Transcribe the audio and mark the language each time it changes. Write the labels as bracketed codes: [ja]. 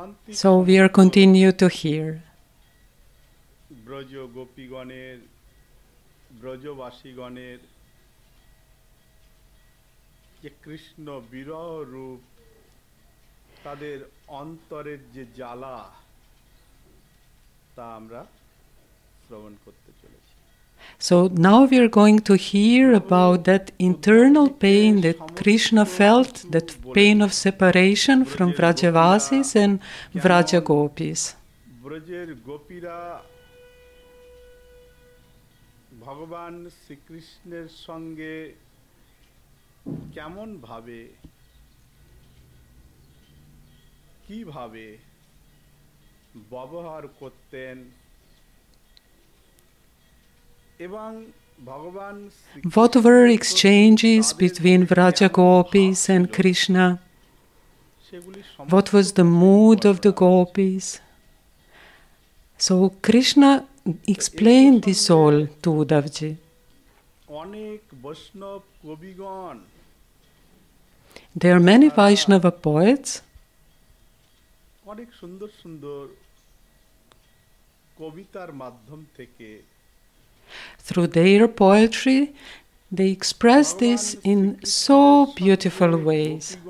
[en] So we are continue to hear. [bn] Braj গোপীগণের ব্রজবাসীগণের যে কৃষ্ণ বিরহ রূপ তাদের অন্তরের যে জ্বালা তা আমরা শ্রবণ করতে চলেছি। [en] So now we are going to hear about that internal pain that Krishna felt, that pain of separation from Vrajavasis and Vrajagopis. [bn] ব্রজের গোপীরা ভগবান শ্রীকৃষ্ণের সঙ্গে কেমন ভাবে কিভাবে ব্যবহার করতেন এবং ভগবান [en] What were exchanges between Vrajagopis and Krishna? What was the mood of the gopis? So Krishna explained this all to Uddhavji. [bn] অনেক বৈষ্ণব কবিগণ [en] There are many Vaishnava poets. [bn] অনেক সুন্দর সুন্দর কবিতার মাধ্যম থেকে [en] Through their poetry, they express this in so beautiful ways.